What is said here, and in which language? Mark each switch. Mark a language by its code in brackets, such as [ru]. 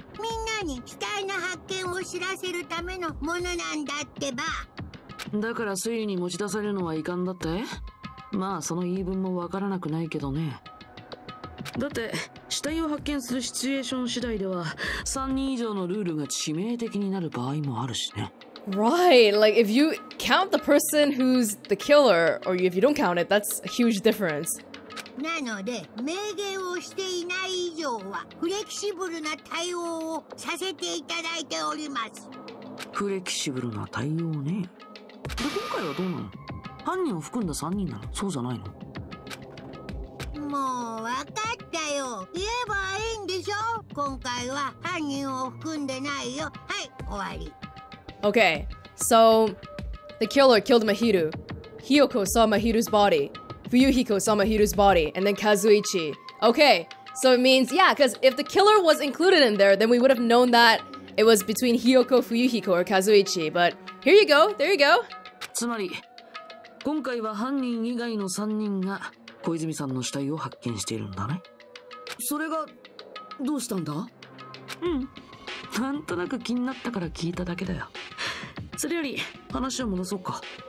[ja] みんなに死体の発見を知らせるためのものなんだってば。だから推理に持ち出されるのは遺憾だって?まあその言い分もわからなくないけどね。だって死体を発見するシチュエーション次第では3人以上のルールが致命的になる場合もあるしね。 [en] Right, like if you count the person who's the killer or if you don't count it, that's a huge difference. [ja] なので、明言をしていない以上はフレキシブルな対応をさせていただいております。フレキシブルな対応ね。で、今回はどうなの?犯人を含んだ3人なの?そうじゃないの? もう分かったよ。言えばいいんでしょ? 今回は犯人を含んでないよ。はい、終わり。 [en] Okay, so the killer killed Mahiru. Hiyoko saw Mahiru's body. Fuyuhiko saw Mahiru's body, and then Kazuichi. Okay, so it means, yeah, because if the killer was included in there, then we would have known that it was between Hiyoko, Fuyuhiko, or Kazuichi. But here you go, there you go. [ja] つまり、今回は犯人以外の3人が小泉さんの死体を発見しているんだね。それがどうしたんだ？うん、なんとなく気になったから聞いただけだよ。それより話を戻そうか。